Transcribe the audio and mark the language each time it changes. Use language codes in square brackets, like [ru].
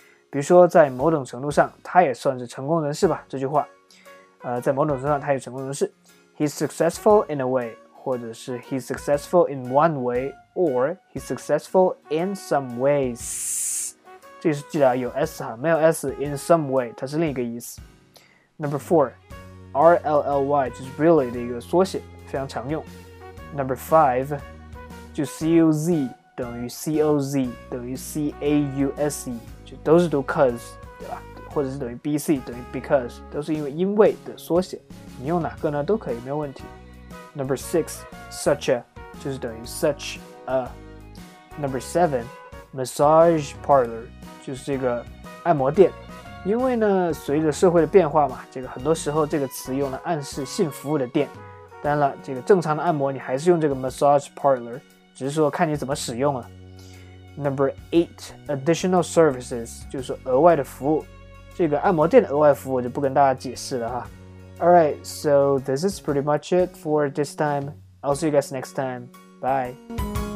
[zh] 比如说在某种程度上他也算是成功人士吧，这句话在某种程度上他也成功人士。 [en] He's successful in a way 或者是 He's successful in one way or He's successful in some ways， [zh] 这是记得有 S 哈，没有 S， [en] in some way [zh] 它是另一个意思。 Number 4 RLLY 就是 really 的一个缩写，非常常用。 Number 5 就 COZ 等于 COZ 等于 CAUSE，都是读 cause 对吧，或者是等于 BC 等于 because， 都是因为的缩写，你用哪个呢都可以没有问题。 Number 6 such a 就是等于 such a。 Number 7 massage parlor 就是这个按摩店，因为呢随着社会的变化嘛，这个很多时候这个词用来暗示性服务的店，当然了这个正常的按摩你还是用这个 massage parlor， 只是说看你怎么使用了。 Number 8, additional services, 就是额外的服务。这个按摩店的额外服务我就不跟大家解释了哈。 [en] Alright, so this is pretty much it for this time. I'll see you guys next time. Bye.